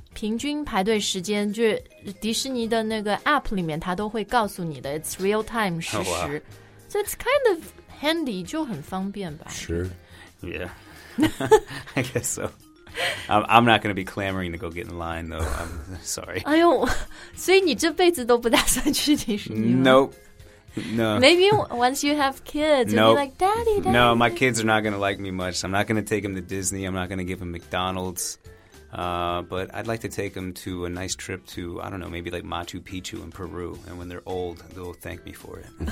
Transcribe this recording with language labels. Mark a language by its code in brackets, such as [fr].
[zh] 平均排队时间就是迪士尼的那个 app 里面它都会告诉你的 [en] It's real time, [zh] 实时。 [en] Oh, wow. So it's kind of handy, [zh] 就很方便吧。 [en] Sure. Yeah. I guess so. I'm not going to be clamoring to go get in line, though. I'm sorry. [zh] 哎呦，所以你这辈子都不打算去迪士尼吗？ [en] No. Maybe once you have kids, you'll be like, Daddy, Daddy. No, my kids are not going to like me much. I'm not going to take them to Disney. I'm not going to give them McDonald's. But I'd like to take them to a nice trip to, I don't know, maybe like Machu Picchu in Peru. And when they're old, they'll thank me for it.